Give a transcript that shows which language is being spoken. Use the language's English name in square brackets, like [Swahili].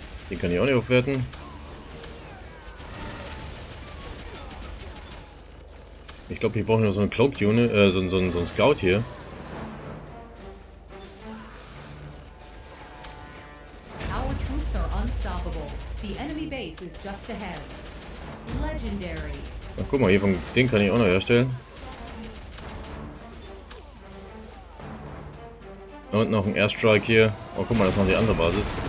[German] Den kann ich auch nicht aufwerten. Ich glaube, ich brauche nur so einen Cloak-Unit, so einen Scout hier. [English] Our troops are unstoppable. The enemy base is just ahead. Legendary. [German] Ach, guck mal, hier vom Ding kann ich auch noch herstellen. Und noch ein Airstrike hier. Oh, guck mal, das ist noch die andere Basis.